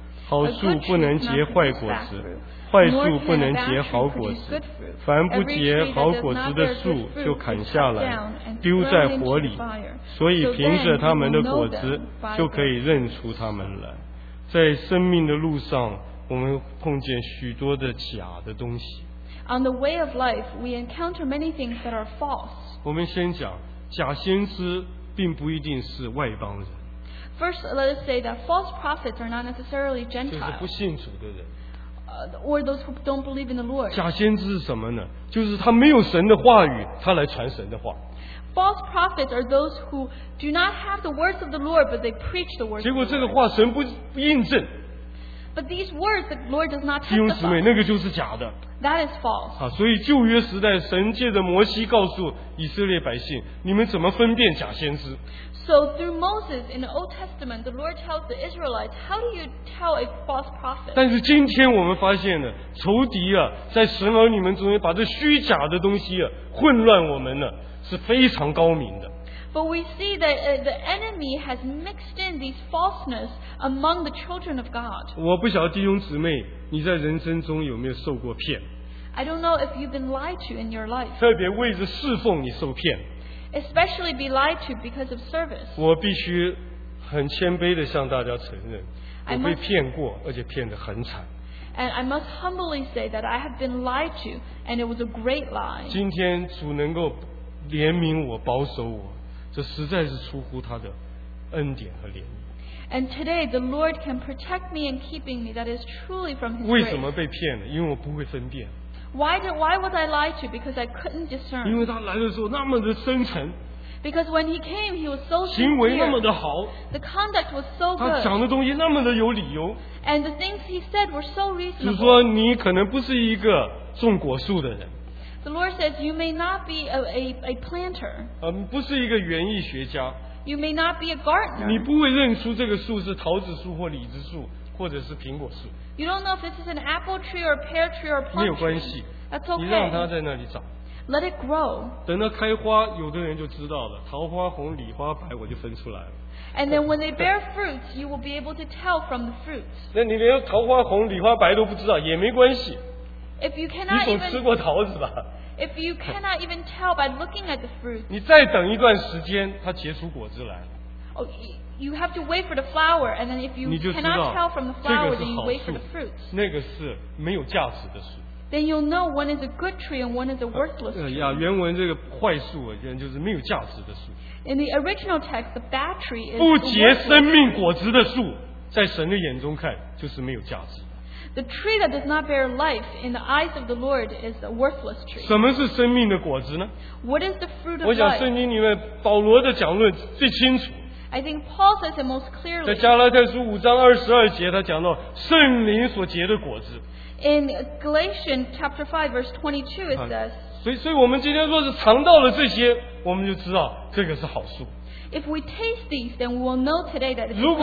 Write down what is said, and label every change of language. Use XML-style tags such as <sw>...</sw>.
<zh>好树不能结坏果子，坏树不能结好果子。凡不结好果子的树就砍下来丢在火里，所以凭着他们的果子就可以认出他们来。在生命的路上，我们碰见许多的假的东西。</zh> <en>On the way of life, we encounter many things that are false.</en> <zh>我们先讲，假先知并不一定是外邦人。</zh> <en>First, let us say that false prophets are not necessarily Gentiles.</en> <zh>就是不信主的人。</zh> <en>Or those who don't believe in the Lord.</en> <zh>假先知是什么呢？就是他没有神的话语，他来传神的话。</zh> <en>False prophets are those who do not have the words of the Lord, but they preach the words of the Lord.</en> <zh>结果这个话神不印证。</zh> <en>But these words the Lord does not testify.</en> <zh>弟兄姊妹，那个就是假的。</zh> <en>That is false.</en> <zh>啊，所以旧约时代，神借着摩西告诉以色列百姓，你们怎么分辨假先知？</zh> <en>So through Moses in the Old Testament, the Lord tells the Israelites, how do you tell a false prophet?</en> <zh>但是今天我们发现了，仇敌啊，在神儿女们中间把这虚假的东西啊，混乱我们了，是非常高明的。</zh> <en>But we see that the enemy has mixed in these falseness among the children of God.</en> <zh>我不晓得弟兄姊妹，你在人生中有没有受过骗。</zh> <en>I don't know if you've been lied to in your life.</en> <zh>特别为着侍奉你受骗。</zh> <en>Especially be lied to because of service.</en> <zh>我必须很谦卑地向大家承认，我被骗过，而且骗得很惨。</zh> <en>And I must humbly say that I have been lied to, and it was a great lie.</en> <zh>今天主能够怜悯我，保守我。这实在是出乎他的恩典和怜悯。</zh> <en>And today the Lord can protect me and keeping me. That is truly from His grace.</en> <zh>为什么被骗了？因为我不会分辨。</zh> <en>Why was I lied to? Because I couldn't discern.</en> <zh>因为他来的时候那么的深沉。</zh> <en>Because when he came, he was so sincere.</en> <zh>行为那么的好。</zh> <en>The conduct was so good.</en> <zh>他讲的东西那么的有理由。</zh> <en>And the things he said were so reasonable.</en> <zh>就是说你可能不是一个种果树的人。</zh> <en>The Lord says you may not be a planter.</en> <zh>不是一个园艺学家。</zh> <en>You may not be a gardener.</en> <zh>你不会认出这个树是桃子树或李子树或者是苹果树。</zh> <en>You don't know if this is an apple tree or a pear tree or a plum tree.</en> <zh>没有关系。</zh> <en>That's okay.</en> <zh>你让它在那里长。</zh> <en>Let it grow.</en> <zh>等到开花，有的人就知道了，桃花红，李花白，我就分出来了。</zh> <en>And then when they bear fruits, you will be able to tell from the fruits.</en> <zh>那你连桃花红、李花白都不知道也没关系。</zh> <en>If you cannot even,</en> <zh>你总吃过桃子吧？</zh> <en>If you cannot even tell by looking at the fruit,</en> <zh>你再等一段时间，它结出果子来。</zh> <en>Oh, you have to wait for the flower, and then if you cannot tell from the flower, then you wait for the fruit.</en> <zh>那个是没有价值的树。</zh> <en>then you'll know one is a good tree and one is a worthless tree.</en> <zh>原文这个坏树, 就是没有价值的树。</zh> <en>In the original text, the bad tree is</en> <zh>不结生命果子的树, 在神的眼中看, 就是没有价值。</zh> <en>The tree that does not bear life in the eyes of the Lord is a worthless tree.</en> <zh>什么是生命的果子呢?</zh> <en>What is the fruit of life?</en> <zh>我想圣经里面保罗的讲论最清楚。</zh> <en>I think Paul says it most clearly.</en> <zh>在加拉太书5章22节, 他讲到圣灵所结的果子。</zh> <en>In Galatians chapter 5 verse 22 it says,</en> <zh>所以我们今天若是尝到了这些，我们就知道这个是好树。</zh> <en>If we taste these, then we will know today that it's</en>